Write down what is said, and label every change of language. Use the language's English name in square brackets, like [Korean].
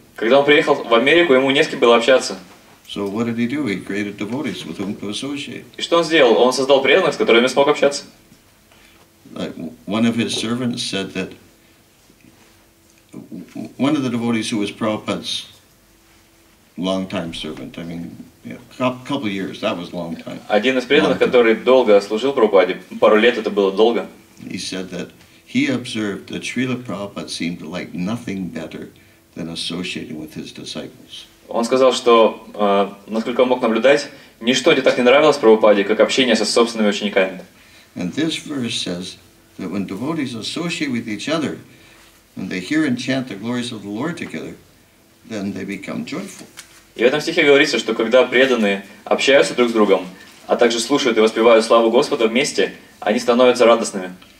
[Russian] Когда он приехал в Америку, ему не с кем было общаться. [English] So what did he do? He created devotees with whom to associate. [Russian] И что он сделал? Он создал преданных, с которыми смог общаться. [English] Like one of his servants said that one of the devotees who was Prabhupada's long-time servant, I mean, yeah, couple of years, that was a long time. [Russian] Один из преданных, который долго служил Прабхупаде, пару лет это было долго. [English] He said that he observed that Srila Prabhupada seemed to like nothing better than associating with his disciples. [Russian] Он сказал, что, насколько он мог наблюдать, ничто не так не нравилось Прабхупаде, как общение со собственными учениками. [English] And this verse says that when devotees associate with each other, and they hear and chant the glories of the Lord together, then they become joyful. [Russian] И в этом стихе говорится, что когда преданные общаются друг с другом, а также слушают и воспевают славу Господа вместе, они становятся радостными.